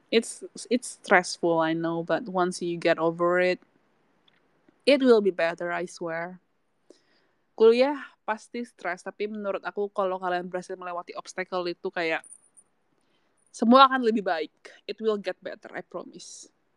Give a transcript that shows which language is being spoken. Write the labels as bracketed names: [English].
[English] It's stressful, I know, but once you get over it, it will be better, I swear. [Indonesian] Kuliah pasti stress, tapi menurut aku kalau kalian berhasil melewati obstacle itu kayak semua akan lebih baik. [English] It will get better, I promise.